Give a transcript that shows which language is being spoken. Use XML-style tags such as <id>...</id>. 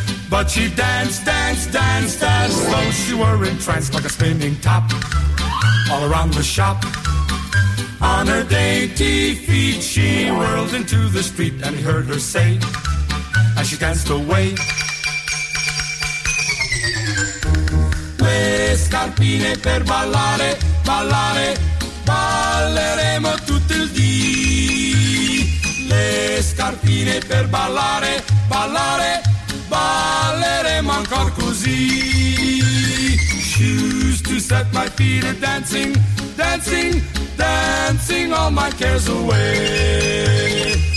<en>But she danced, danced, danced, danced, as though she were entranced, like a spinning top all around the shop. On her dainty feet she whirled into the street, and he heard her say as she danced away,</en> <it>Le scarpine per ballare, ballare, balleremo tutto il dì. Le scarpine per ballare, ballare, balleremo ancora così.</it> <en>Shoes to set my feet a dancing, dancing, dancing all my cares away.</en>